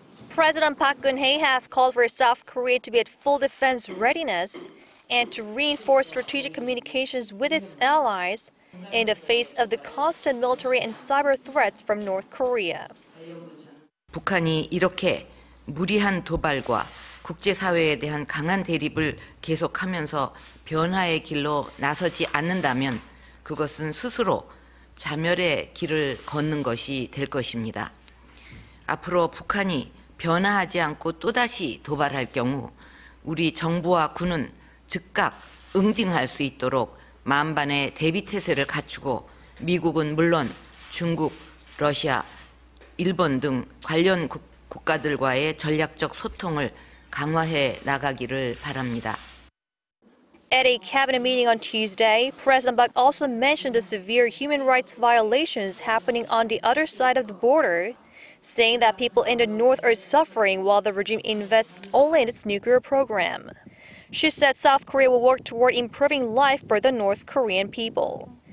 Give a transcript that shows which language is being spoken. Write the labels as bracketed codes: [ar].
[en] President Park Geun-hye has called for South Korea to be at full defense readiness and to reinforce strategic communications with its allies in the face of the constant military and cyber threats from North Korea. [ko] 북한이 이렇게 무리한 도발과 국제사회에 대한 강한 대립을 계속하면서 변화의 길로 나서지 않는다면 그것은 스스로 자멸의 길을 걷는 것이 될 것입니다. 앞으로 북한이 변화하지 않고 또다시 도발할 경우 우리 정부와 군은 즉각 응징할 수 있도록 만반의 대비태세를 갖추고 미국은 물론 중국, 러시아, 일본 등 관련 국가들과의 전략적 소통을 강화해 나가기를 바랍니다. [en] At a cabinet meeting on Tuesday, President Park also mentioned the severe human rights violations happening on the other side of the border, saying that people in the north are suffering while the regime invests only in its nuclear program. She said South Korea will work toward improving life for the North Korean people.